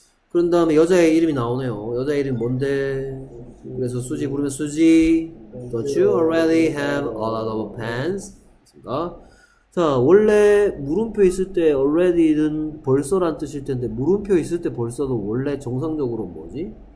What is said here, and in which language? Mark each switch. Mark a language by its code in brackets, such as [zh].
[ko] 그런 다음에 여자의 이름이 나오네요. 여자의 이름 뭔데? 그래서 수지 부르면 수지. [en] Don't you already have a lot of pens? [ko] 그렇습니까? 자, 원래 물음표 있을 때 already는 벌써란 뜻일 텐데, 물음표 있을 때 벌써도 원래 정상적으로 뭐지?